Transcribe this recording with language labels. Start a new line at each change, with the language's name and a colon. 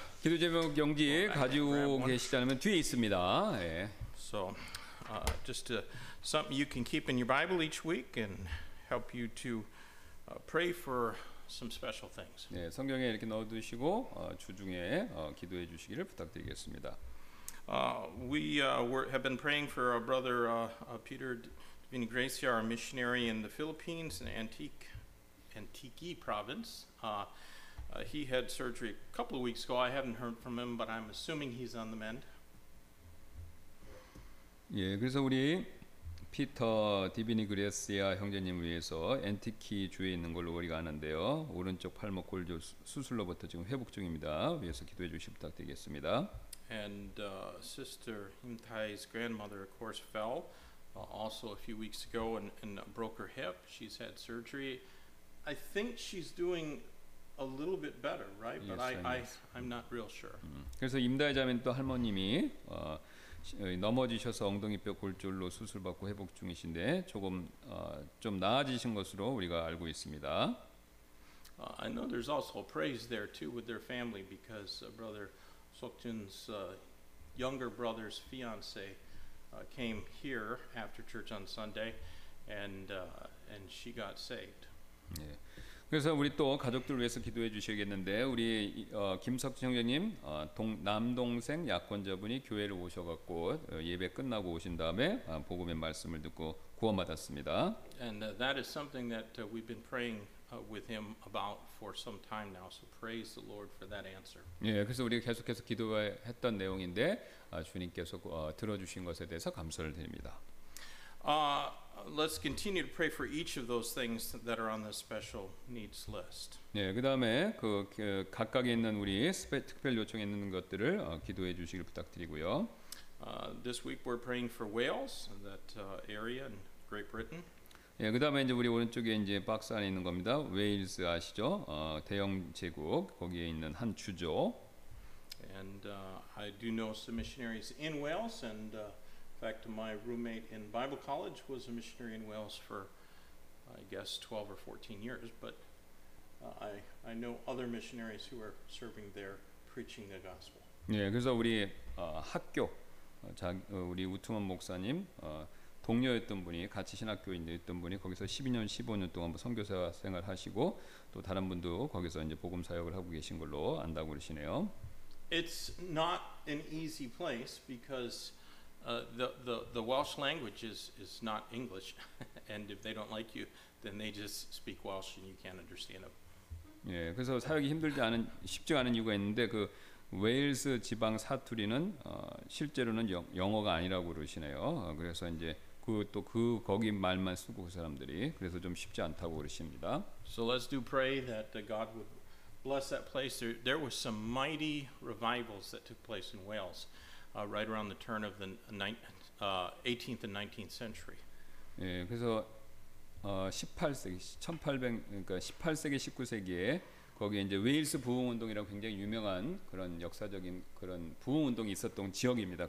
Korean: 기도 제목 용지 가지고 계시다면 뒤에 있습니다. 예.
English: So, just something you can keep in your Bible each week and help you to pray for some special things.
Korean: 네, 성경에 이렇게 넣어 두시고 주중에 기도해 주시기를 부탁드리겠습니다.
English: We have been praying for our brother Peter Divini Gracia, our missionary in the Philippines in Antique province. He had surgery a couple of weeks ago. I haven't heard from him, but I'm assuming he's on the mend.
Korean: 예, 그래서 우리 피터 디비니그레스야 형제님을 위해서 엔티키 주에 있는 걸로 우리가 아는데요. 오른쪽 팔목 골조 수술로부터 지금 회복 중입니다. 위해서 기도해 주시기 부탁드리겠습니다.
English: And Sister Imtai's grandmother, of course, fell also a few weeks ago and broke her hip. She's had surgery. I think she's doing a little bit better, right? But yes, I'm not real sure.
Korean: 그래서 임다희 자매는 또 할머님이 넘어지셔서 엉덩이뼈 골절로 수술받고 회복 중이신데 조금 좀 나아지신 것으로 우리가 알고 있습니다.
English: I know there's also praise there too with their family because Brother Sokjun's younger brother's fiance came here after church on Sunday, and she got saved.
Korean: 네. 그래서 우리 또 가족들 위해서 기도해 주시겠는데 우리 김석진 형제님 남동생 약혼자분이 교회를 오셔갖고 예배 끝나고 오신 다음에 복음의 말씀을 듣고 구원받았습니다.
English: And that is something that we've been praying with him about for some time now. So praise the Lord for that answer.
Korean: 예, 그래서 우리가 계속해서 기도했던 내용인데 주님께서 들어주신 것에 대해서 감사를 드립니다.
English: Let's continue to pray for each of those things that are on the special needs list.
Korean: 네, 그다음에 그 각각에 있는 우리 특별 요청에 있는 것들을 기도해 주시길 부탁드리고요.
English: This week we're praying for Wales, that area in Great Britain.
Korean: 예, 그다음에 이제 우리 오른쪽에 이제 박스 안에 있는 겁니다. 웨일스 아시죠? 대영 제국 거기에 있는 한 주죠.
English: And I do know some missionaries in Wales and In fact, my roommate in Bible college was a missionary in Wales for, I guess, 12 or 14 years. But I know other missionaries who are serving there, preaching the gospel.
Korean: 네, 그래서 우리 학교 우리 우투만 목사님 동료였던 분이 같이 신학교에 있던 분이 거기서 12년, 15년 동안 선교사 생활하시고 또 다른 분도 거기서 이제 복음 사역을 하고 계신 걸로 안다고 그러시네요.
English: It's not an easy place because the Welsh language is not English, and if they don't like you, then they just speak Welsh and you can't understand them.
Korean: 예, 그래서 사역이 힘들지 않은 쉽지 않은 이유가 있는데 그 웨일스 지방 사투리는 실제로는 영어가 아니라고 그러시네요. 그래서 이제 그 또 그 거기 말만 쓰고 그 사람들이 그래서 좀 쉽지 않다고 그러십니다.
English: So let's do pray that God would bless that place. There was some mighty revivals that took place in Wales. Right around the turn of the 18th and 19th century.
Korean: 예, 그래서 18세기 1800 그러니까 18세기 19세기에 거기 이제 웨일스 부흥 운동이라고 굉장히 유명한 그런 역사적인 그런 부흥 운동이 있었던 지역입니다.